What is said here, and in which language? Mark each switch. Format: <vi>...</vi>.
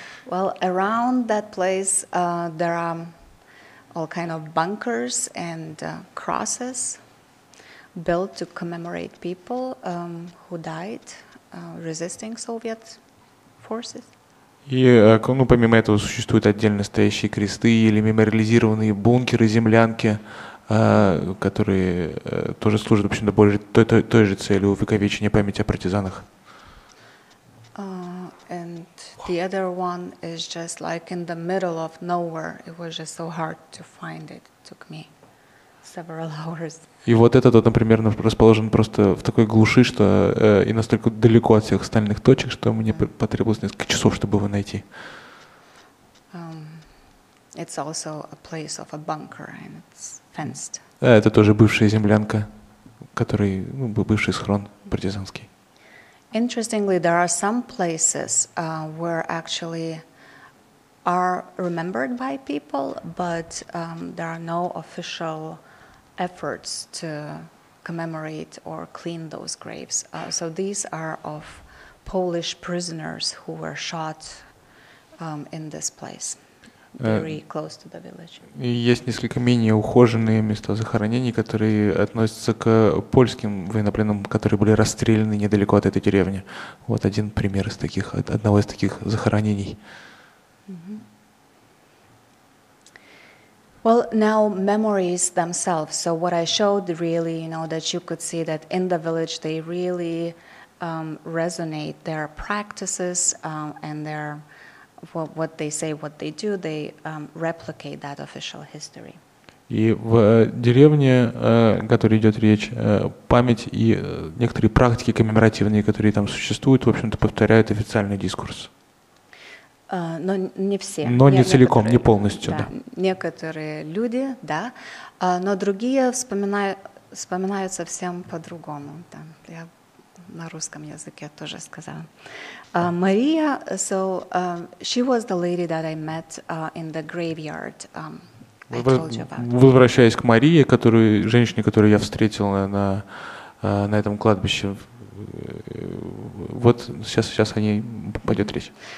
<en>Well, around that place there are all kind of bunkers and crosses built to commemorate people who died resisting Soviet forces.</en> <ru>И, ну, помимо этого, существуют отдельно стоящие кресты или мемориализированные бункеры, землянки, которые тоже служат, в общем-то, более той же цели — увековечения памяти о партизанах.</ru> <en>And the other one is just like in the middle of nowhere. It was just so hard to find it. It took me several hours.</en> <ru>И вот этот вот, например, расположен просто в такой глуши, что и настолько далеко от всех остальных точек, что мне потребовалось несколько часов, чтобы его найти.</ru> <en>It's also a place of a bunker and it's fenced.</en> <ru>Да, это тоже бывшая землянка, который, ну, бывший схрон партизанский.</ru> <en>Interestingly, there are some places where actually are remembered by people, but there are no official efforts to commemorate or clean those graves. So these are of Polish prisoners who were shot in this place, very close to the village.</en> <ru>Есть несколько менее ухоженные места захоронений, которые относятся к польским военнопленным, которые были расстреляны недалеко от этой деревни. Вот один пример из таких, одного из таких захоронений.</ru> <en>Well, now memories themselves. So what I showed really, you know, that you could see that in the village they really resonate their practices and their what they say, what they do, they replicate that official history.</en> <ru>И в деревне, о которой идет речь, память и некоторые практики коммеморативные, которые там существуют, в общем-то, повторяют официальный дискурс. Но не все. Но не целиком, не полностью, да. Некоторые люди, да, но другие вспоминают совсем по-другому. Да. Я на русском языке тоже сказала.</ru> <en>Мария, so she was the lady that I met in the graveyard.</en> <ru>Возвращаясь к Марии, которую женщине, которую я встретил на этом кладбище, вот сейчас о ней пойдет речь.</ru>